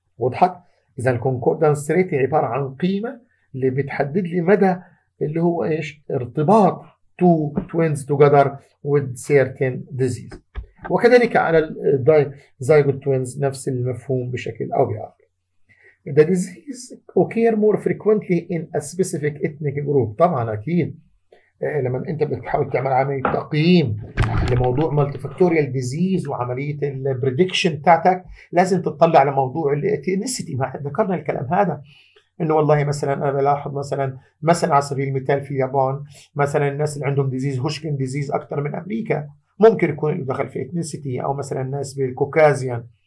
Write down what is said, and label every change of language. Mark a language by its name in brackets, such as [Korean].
[Arabic] وضحت؟ اذا الكونكوردنس ريت عباره عن قيمه اللي بتحدد لي مدى اللي هو ايش؟ ارتباط [English] Two twins together with certain disease. [Arabic] وكذلك على الزايغوت توينز نفس المفهوم بشكل او باخر. [English] The disease occurs more frequently in a specific ethnic group. [Arabic] طبعا اكيد لما انت بتحاول تعمل عمليه تقييم لموضوع مالتي فاكتوريال ديزيز وعمليه البريدكشن بتاعتك، لازم تطلع لموضوع الاثنيسيتي. ما ذكرنا الكلام هذا انه والله مثلا انا بلاحظ مثلا على سبيل المثال في اليابان مثلا الناس اللي عندهم ديزيز هوشكن ديزيز اكثر من امريكا، ممكن يكون دخل في اثنيسيتي، او مثلا الناس بالكوكازيان،